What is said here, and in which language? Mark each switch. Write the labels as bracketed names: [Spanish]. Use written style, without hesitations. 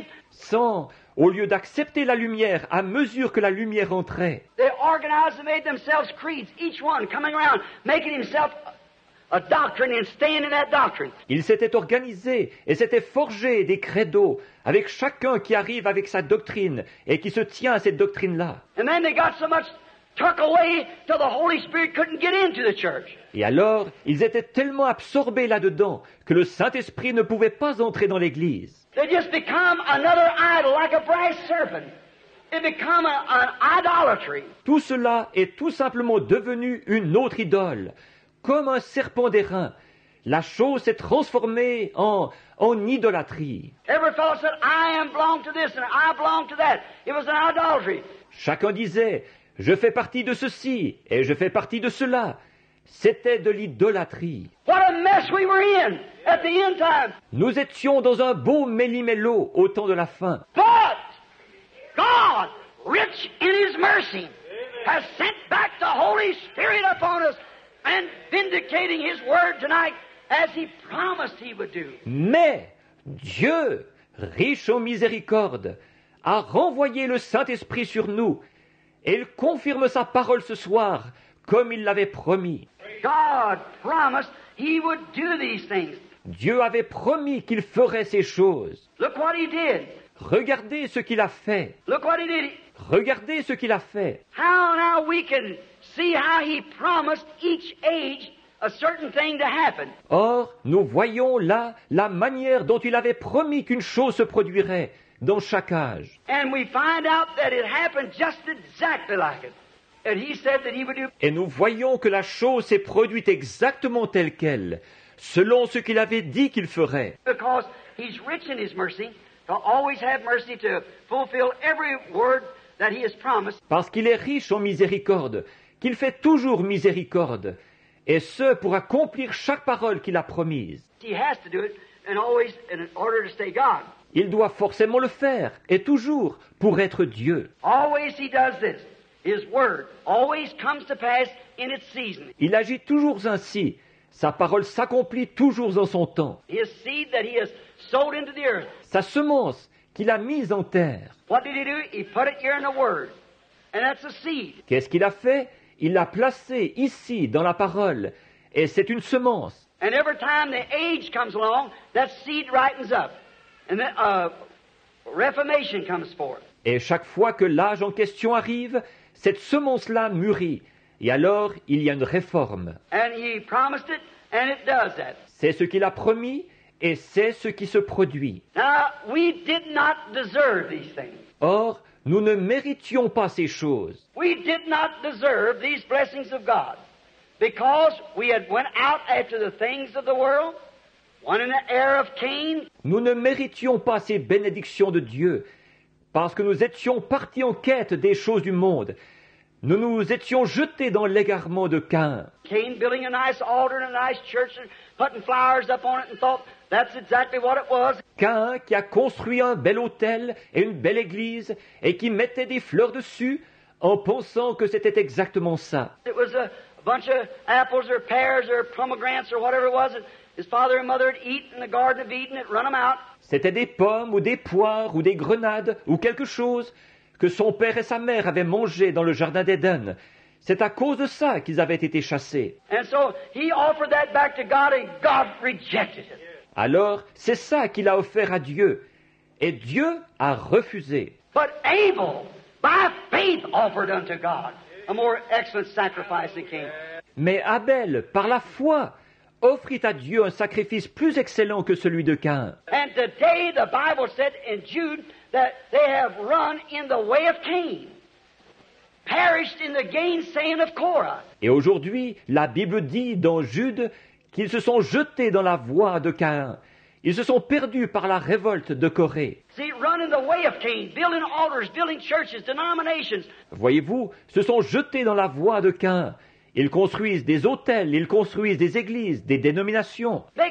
[French] Sans, au lieu d'accepter la lumière à mesure que la lumière entrait, [English] they organized and made themselves creeds, each one coming around, making himself a doctrine and staying in that doctrine. [French] Ils s'étaient organisés et s'étaient forgés des credos avec chacun qui arrive avec sa doctrine et qui se tient à cette doctrine-là. [English] And then they got so much tucked away till the Holy Spirit couldn't get into the church. [French] Et alors, ils étaient tellement absorbés là-dedans que le Saint-Esprit ne pouvait pas entrer dans l'église. [English] They just become another idol like a brass serpent. It became an idolatry. [French] Tout cela est tout simplement devenu une autre idole. Comme un serpent d'airain, la chose s'est transformée en idolâtrie. [English] Every fellow said, I belong to this and I belong to that. It was an idolatry. [French] Chacun disait, je fais partie de ceci et je fais partie de cela. C'était de l'idolâtrie. [English] What a mess we were in at the end time. [French] Nous étions dans un beau méli-mélo au temps de la fin. [English] But God, rich in his mercy, has sent back the Holy Spirit upon us. And vindicating his word tonight as he promised he would do. [French] Mais Dieu, riche en miséricorde, a renvoyé le Saint-Esprit sur nous et il confirme sa parole ce soir comme il l'avait promis. [English] God promised he would do these things. [French] Dieu avait promis qu'il ferait ces choses. [English] Look what he did. [French] Regardez ce qu'il a fait. [English] Look what he did. [French] Regardez ce qu'il a fait. [English] How now we can see how he promised each age a certain thing to happen. [French] Or, nous voyons là la manière dont il avait promis qu'une chose se produirait dans chaque âge. [English] And we find out that it happened just exactly like it. And he said that he would do. [French] Et nous voyons que la chose s'est produite exactement telle quelle, selon ce qu'il avait dit qu'il ferait. [English] Because he's rich in his mercy, to always have mercy to fulfill every word that he has promised. [French] Parce qu'il est riche en miséricorde, qu'il fait toujours miséricorde, et ce, pour accomplir chaque parole qu'il a promise. [English] He has to do it and always in order to stay God. [French] Il doit forcément le faire, et toujours, pour être Dieu. [English] Always he does this. His word always comes to pass in its season. [French] Il agit toujours ainsi. Sa parole s'accomplit toujours en son temps. [English] His seed that he has sowed into the earth. [French] Sa semence qu'il a mise en terre. [English] What did he do? He put it here in the word. And that's a seed. [French] Qu'est-ce qu'il a fait? Il l'a placé ici dans la parole et c'est une semence. [English] And every time the age comes along, that seed ripens up. And then reformation comes forth. [French] Et chaque fois que l'âge en question arrive, cette semence-là mûrit et alors il y a une réforme. [English] And he promised it and it does that. [French] C'est ce qu'il a promis et c'est ce qui se produit. [English] Now, we did not deserve these things. [French] Or, nous ne méritions pas ces choses. [English] We did not deserve these blessings of God because we had went out after the things of the world, one in the heir of Cain. [French] Nous ne méritions pas ces bénédictions de Dieu parce que nous étions partis en quête des choses du monde. Nous nous étions jetés dans l'égarement de Cain. [English] Cain building a nice altar and a nice church and putting flowers up on it and thought that's exactly what it was. [French] Cain qui a construit un bel autel et une belle église et qui mettait des fleurs dessus en pensant que c'était exactement ça. [English] It was a bunch of apples or pears or pomegranates or whatever it was. His father and mother had eaten in the Garden of Eden and run them out. [French] C'était des pommes ou des poires ou des grenades ou quelque chose que son père et sa mère avaient mangé dans le jardin d'Éden. C'est à cause de ça qu'ils avaient été chassés. [English] And so he offered that back to God and God rejected it. [French] Alors, c'est ça qu'il a offert à Dieu. Et Dieu a refusé. [English] But Abel, by faith, offered unto God a more excellent sacrifice than Cain. [French] Mais Abel, par la foi, offrit à Dieu un sacrifice plus excellent que celui de Cain. [English] And today the Bible said in Jude that they have run in the way of Cain. Perished in the gainsaying of Korah. [French] Et aujourd'hui, la Bible dit dans Jude qu'ils se sont jetés dans la voie de Cain. Ils se sont perdus par la révolte de Corée. [English] See, running the way of Cain, building altars, building churches, denominations. [French] Voyez-vous, se sont jetés dans la voie de Cain. Ils construisent des hôtels, ils construisent des églises, des dénominations.